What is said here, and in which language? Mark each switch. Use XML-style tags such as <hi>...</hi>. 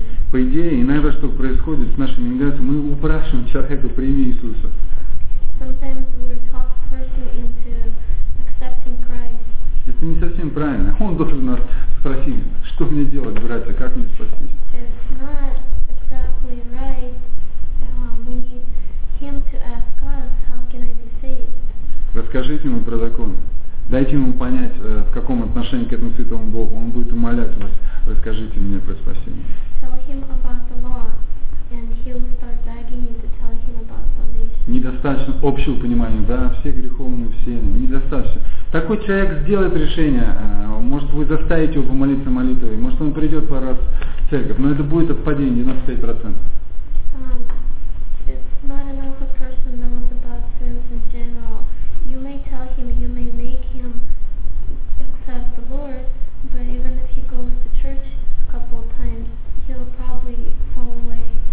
<ru>По идее, иногда что происходит с нашими миграциями, мы упрашиваем человека, прими Иисуса.</ru> <en>Sometimes we talk a person into accepting Christ.</en> <ru>Это не совсем правильно. Он должен нас спросить, что мне делать, братья, как мне спастись.</ru> <en>It's not exactly right. We need him to ask us, how can I be saved?</en> <ru>Расскажите ему про закон. Дайте ему понять, в каком отношении к этому святому Богу. Он будет умолять вас, расскажите мне про спасение.</ru> <en>Tell him about the law, and he'll start begging you to tell him about salvation.</en> <ru>Недостаточно общего понимания, да, все греховные, все, недостаточно. Такой человек сделает решение, может вы заставите его помолиться молитвой, может он придет пару раз в церковь, но это будет отпадение 95%.</ru> <en>It's not enough a person knows about sins in general. You may tell him, you may make him accept the Lord, but even if he goes to church a couple of times, he'll probably fall away.</en>